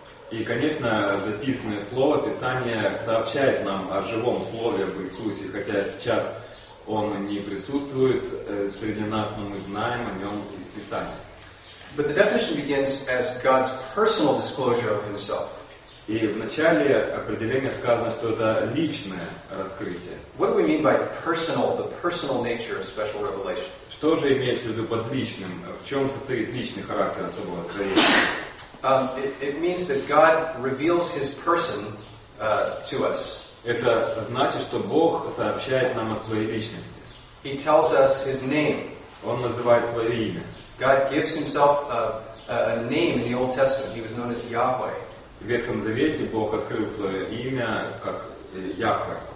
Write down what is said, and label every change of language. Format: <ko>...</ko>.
<ru>И, конечно, записанное Слово Писание сообщает нам о живом Слове в Иисусе, хотя сейчас Он не присутствует среди нас, но мы знаем о Нем из Писания.</ru> <en>But the definition begins as God's personal disclosure of Himself.</en> <ru>И в начале определения сказано, что это личное раскрытие.</ru> <en>What do we mean by personal, the personal nature of special revelation?</en> <ru>Что же имеется в виду под личным? В чем состоит личный характер особого откровения?</ru> <en>It means that God reveals His person to us.</en> <ru>Это значит, что Бог сообщает нам о своей личности.</ru> <en>He tells us His name.</en> <ru>Он называет свое имя.</ru> <en>God gives Himself a name in the Old Testament. He was known as Yahweh.</en> <ru>В Ветхом Завете Бог открыл свое имя как Яхве.</ru>